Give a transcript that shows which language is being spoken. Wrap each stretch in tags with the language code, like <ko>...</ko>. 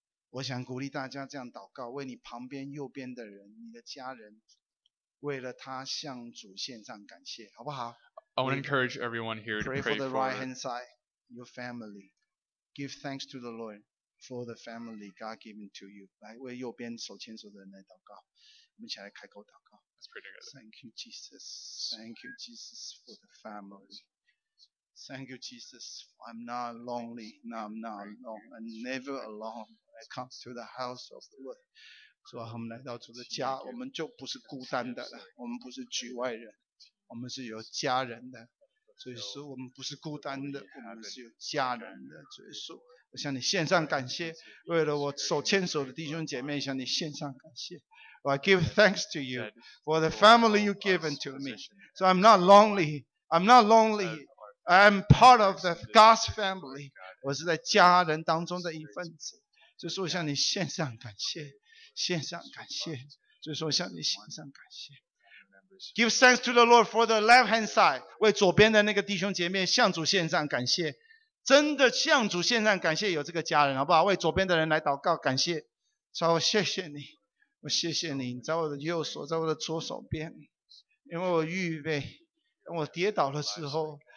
<zh>我想鼓励大家这样祷告，为你旁边右边的人，你的家人，为了他向主献上感谢，好不好</zh> <en>？I want to encourage everyone here to pray for the right hand side, your family. Give thanks to the Lord for the family God given to you.</en> <zh>来为右边手牵手的人来祷告，我们一起来开口祷告。</zh> <en>Let's pray together. Thank you, Jesus. Thank you, Jesus, for the family. Thank you, Jesus. I'm not lonely. No, I'm not alone. I'm never alone. I come to the house of the Lord.</en> <zh>主啊，我们来到主的家，我们就不是孤单的了。我们不是局外人，我们是有家人的。所以说，我们不是孤单的，我们是有家人的。所以说，我向你献上感谢，为了我手牵手的弟兄姐妹，向你献上感谢。</zh> <en>I give thanks to you for the family you've given to me. So I'm not lonely. I'm not lonely. I'm part of the God's family.</en> <zh>我是在家人当中的一份子。所以说，我向你献上感谢，献上感谢。所以说，我向你献上感谢。</zh> <en>Give thanks to the Lord for the left hand side.</en> <zh>为左边的那个弟兄姐妹向主献上感谢。真的向主献上感谢，有这个家人，好不好？为左边的人来祷告，感谢。主，我谢谢你，我谢谢你，在我的右手，在我的左手边，因为我预备，当我跌倒的时候。</zh>